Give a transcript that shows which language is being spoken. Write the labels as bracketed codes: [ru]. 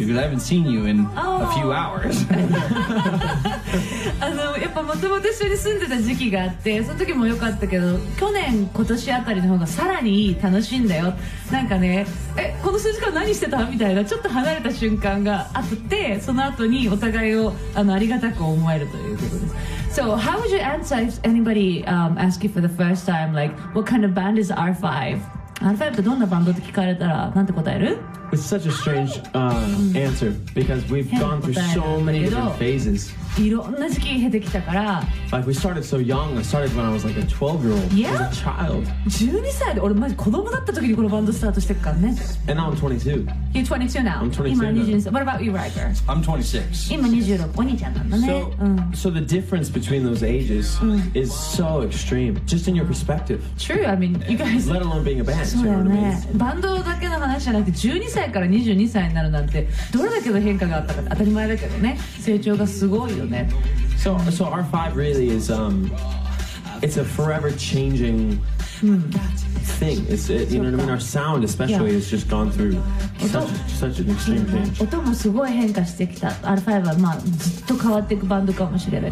[en] Because I haven't seen you in a few hours. So how would you answer if anybody asked you for the first time, like, what kind of band is R5? [ja] R5 ってどんなバンドって聞かれたらなんて答える? [en] It's such a strange answer because we've gone through so many different phases. [ja] いろんな時期経てきたから。 [en] Like we started so young. I started when I was like a 12-year-old. Yeah? As a child. [ja] 12歳で俺マジ子供だった時にこのバンドスタートしてるからね。 [en] And now I'm 22. You're 22 now. I'm 22 now. What about you, Riker? I'm 26. [ja] 今26。お兄ちゃんなんだね。 [en] So the difference between those ages is so extreme. Just in your perspective. True. I mean, you guys... Let alone being a band. [ja] そうだね。バンドだけの話じゃなくて12歳から22歳になるなんてどれだけの変化があったか当たり前だけどね成長がすごいよね。 [en] So R5 really is it's a forever changing thing. You know what I mean? Our sound especially has just gone through such an extreme change. [ja] 音もすごい変化してきた。R5 はまあずっと変わっていくバンドかもしれない。